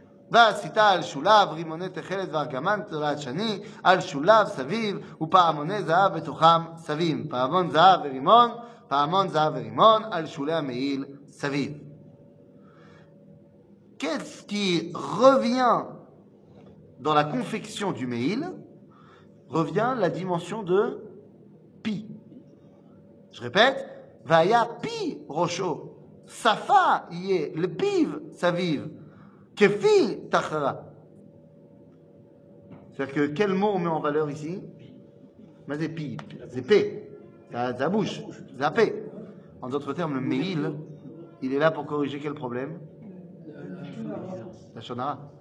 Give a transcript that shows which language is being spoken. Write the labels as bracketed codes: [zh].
[he] והסיטה על שולב, רימוני תחלת והרגמן תולעת שני, על שולב, סביב, ופעמוני זהב בתוכם סביב. פעמון זהב ורימון, פעמון זהב ורימון, על שולי המעיל סביב. [fr] Qu'est-ce qui revient dans la confection du mail? Revient la dimension de pi. Je répète, [he] והיה פי ראשו, שפה יהיה לפיו סביב. Kefi tachara. [fr] C'est-à-dire que quel mot on met en valeur ici? Mais c'est pi, c'est p, ça bouge, ça p. En d'autres termes, le meil, il est là pour corriger quel problème? La shonara.